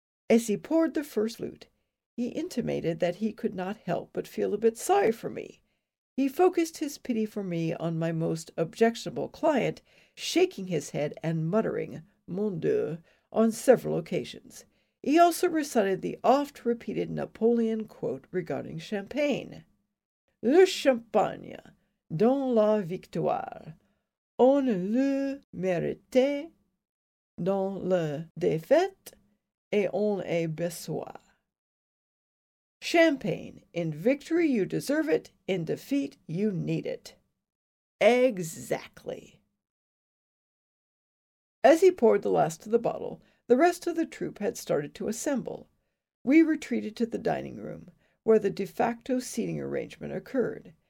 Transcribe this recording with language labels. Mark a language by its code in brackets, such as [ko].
[en] As he poured the first flute, he intimated that he could not help but feel a bit sorry for me. He focused his pity for me on my most objectionable client, shaking his head and muttering, [fr] "Mon Dieu," [en] on several occasions. He also recited the oft-repeated Napoleon quote regarding champagne. [fr] Le champagne, dans la victoire, on le mérite dans la défaite, et on a besoin. [en] Champagne, in victory you deserve it, in defeat you need it. Exactly. As he poured the last of the bottle, the rest of the troop had started to assemble. We retreated to the dining room, where the de facto seating arrangement occurred.